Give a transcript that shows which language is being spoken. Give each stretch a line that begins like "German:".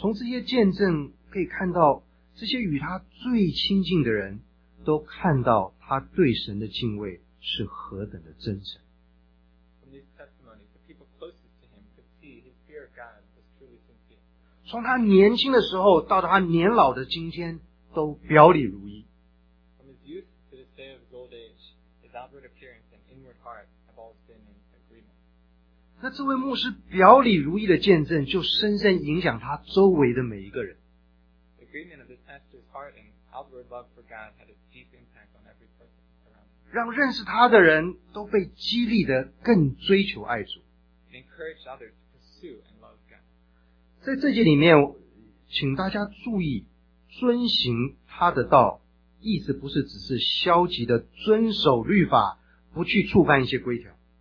Chinese: 从这些见证可以看到，这些与他最亲近的人都看到他对神的敬畏是何等的真诚。
English: From these testimonies, the people closest to him could see his fear of God was truly sincere.
Chinese: 从他年轻的时候到他年老的今天都表里如一。
English: From his youth to this day of his old age, his outward appearance and inward heart have always been in agreement.
Chinese: 那这位牧师表里如一的见证就深深影响他周围的每一个人。
English: The agreement of this pastor's heart and outward love for God had a deep impact on every person around him.
Chinese: 让认识他的人都被激励得更追求爱主。
English: It encouraged others to pursue and love God.
Chinese: 在这节里面请大家注意，遵行他的道意思不是只是消极的遵守律法，不去触犯一些规条。